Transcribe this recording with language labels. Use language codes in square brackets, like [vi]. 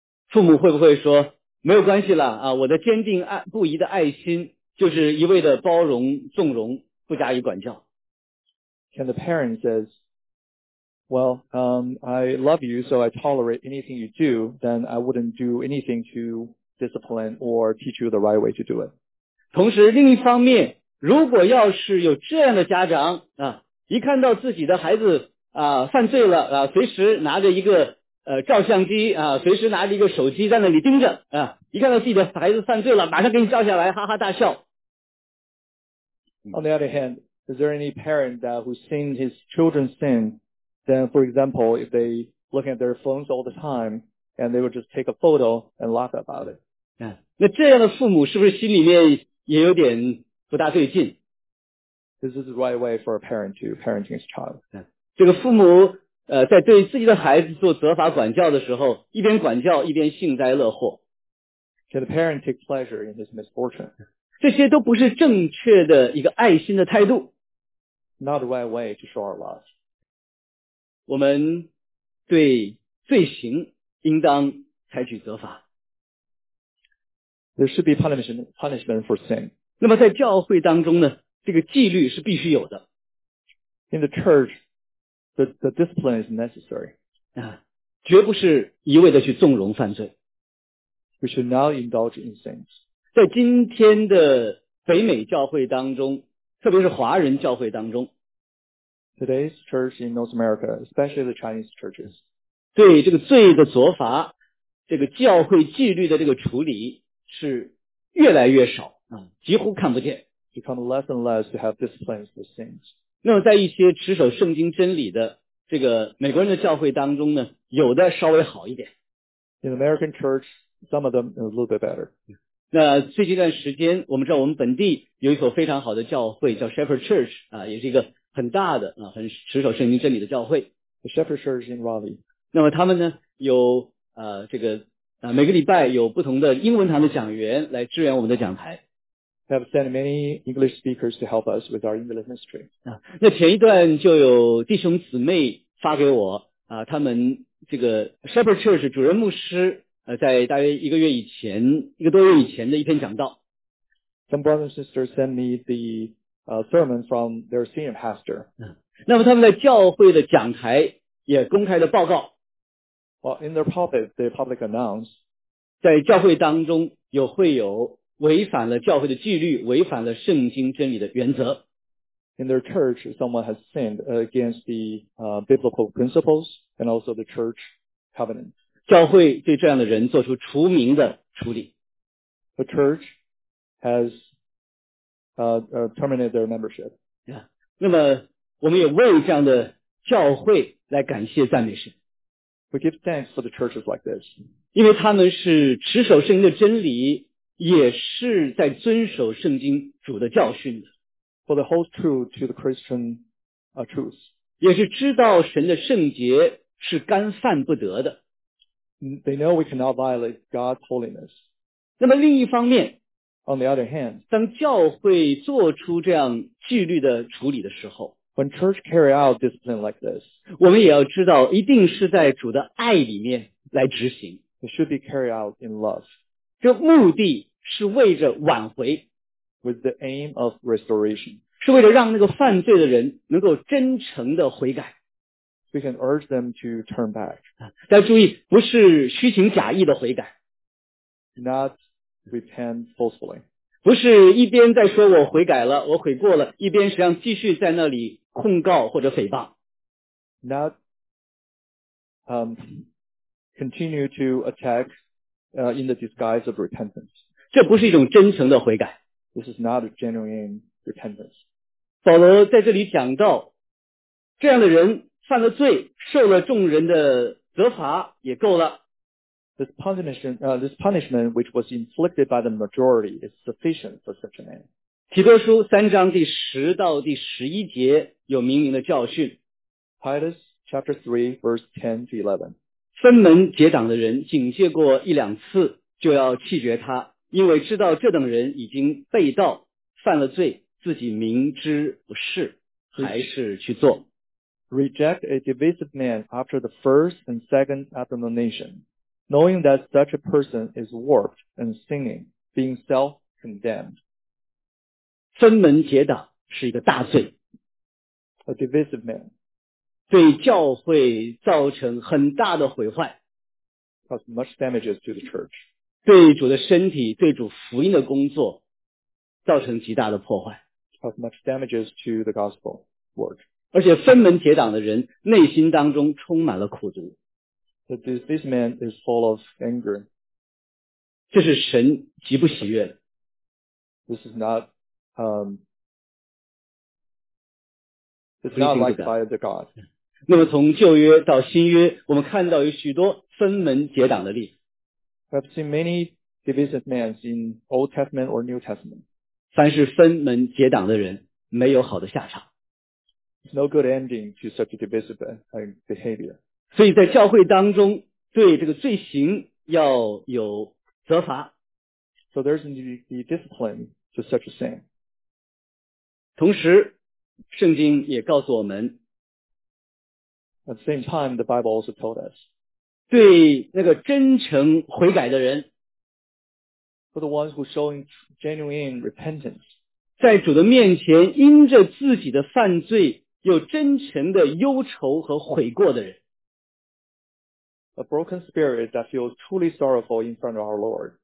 [zh] 父母会不会说没有关系了啊？我的坚定不移的爱心就是一味的包容纵容，不加以管教。 [en] Can the parent says, "Well, I love you, so I tolerate anything you do. Then I wouldn't do anything to discipline or teach you the right way to do it." [zh] 同时，另一方面，如果要是有这样的家长啊。一看到自己的孩子啊犯罪了啊随时拿着一个照相机啊随时拿着一个手机在那里盯着啊一看到自己的孩子犯罪了马上给你照下来哈哈大笑。 [en] On the other hand, is there any parent that who's seen his children's sin, then for example, if they look at their phones all the time, and they would just take a photo and laugh about it. [zh] 那这样的父母是不是心里面也有点不大对劲 [en] This is the right way for a parent to parenting his child. [zh] 这个父母在对自己的孩子做责罚管教的时候一边管教一边幸灾乐祸。 [en] Can the parent take pleasure in his misfortune? [zh] 这些都不是正确的一个爱心的态度。 [en] Not the right way to show our love. [zh] 我们对罪行应当采取责罚。 [en] There should be punishment for sin. [zh] 那么在教会当中呢，这个纪律是必须有的。 [en] In the church, the discipline is necessary. [zh] 绝不是一味的去纵容犯罪。 [en] We should not indulge in sins. [zh] 在今天的北美教会当中，特别是华人教会当中。 [en] Today's church in North America, especially the Chinese churches. [zh] 对这个罪的责罚，这个教会纪律的这个处理是越来越少，几乎看不见。 [en] Become less and less to have disciplines for sins. [zh] 那么在一些持守圣经真理的这个美国人的教会当中呢，有的稍微好一点。 [en] In American church, some of them are a little bit better. [zh] 那最近一段时间，我们知道我们本地有一所非常好的教会叫 Shepherd Church, 也是一个很大的很持守圣经真理的教会。 [en] The Shepherd Church in Raleigh. [zh] 那么他们呢有这个每个礼拜有不同的英文堂的讲员来支援我们的讲台。 [en] Have sent many English speakers to help us with our English ministry. [zh] 那前一段就有弟兄姊妹发给我他们这个 Shepherd Church 主任牧师在大约一个月以前，一个多月以前的一篇讲道。 [en] Some brothers and sisters sent me the sermon from their senior pastor. [zh] 那么他们在教会的讲台也公开的报告。 [en] Well, in their pulpit, they public announced. [zh] 在教会当中有会友违反了教会的纪律，违反了圣经真理的原则。 [en] In their church, someone has sinned against the biblical principles and also the church covenant. [zh] 教会对这样的人做出除名的处理。 [en] The church has terminated their membership. Yeah. [zh] 那么我们也为这样的教会来感谢赞美神。 [en] We give thanks for the churches like this. [zh] 因为他们是持守圣经的真理，也是在遵守圣经主的教训的。 [en] For the whole truth to the Christian truth. [zh] 也是知道神的圣洁是干犯不得的。 [en] They know we cannot violate God's holiness. [zh] 那么另一方面， [en] On the other hand, [zh] 当教会做出这样纪律的处理的时候， [en] When church carry out discipline like this, [zh] 我们也要知道一定是在主的爱里面来执行。 [en] It should be carried out in love. [zh] 这目的是为着挽回。 [en] With the aim of restoration. [zh] 是为了让那个犯罪的人能够真诚的悔改。 [en] We can urge them to turn back. [zh] 但注意，不是虚情假意的悔改。 [en] Not repent falsely. [zh] 不是一边在说我悔改了，我悔过了，一边实际上继续在那里控告或者诽谤。 [en] Not continue to attack in the disguise of repentance. [zh] 这不是一种真诚的悔改。 [en] This is not a genuine repentance. [zh] 保罗在这里讲到，这样的人犯了罪，受了众人的责罚也够了。 [en] This punishment which was inflicted by the majority is sufficient for such a man. [zh] 提多书三章第十到第十一节有明明的教训。 [en] Titus chapter 3 verse 10 to 11. [zh] 分门结党的人警戒过一两次就要弃绝他，因为知道这等人已经被盗犯了罪，自己明知不是还是去做。 [en] Reject a divisive man after the first and second admonition. Knowing that such a person is warped and sinning, being self-condemned. [zh] 分门结党是一个大罪。 [en] A divisive man. [zh] 对教会造成很大的毁坏。 [en] Cause much damages to the church. [zh] 对主的身体，对主福音的工作，造成极大的破坏。 [en] Cause much damages to the gospel work. [zh] 而且分门结党的人，内心当中充满了苦毒。 [en] That this man is full of anger. [zh] 这是神极不喜悦的。 [en] This is not, it's not liked by the God. [zh] 那么从旧约到新约，我们看到有许多分门结党的例子。 [en] I've seen many divisive men in Old Testament or New Testament. [zh] 凡是分门结党的人，没有好的下场。 [en] It's no good ending to such a divisive behavior. [zh] 所以在教会当中对这个罪行要有责罚。 [en] So there's the discipline to such a sin. [zh] 同时圣经也告诉我们 [en] At the same time, the Bible also told us. [zh] 对那个真诚悔改的人。 [en] For the ones who are showing genuine repentance. [zh] 在主的面前因着自己的犯罪有真诚的忧愁和悔过的人。 [en] A broken spirit that feels truly sorrowful in front of our Lord.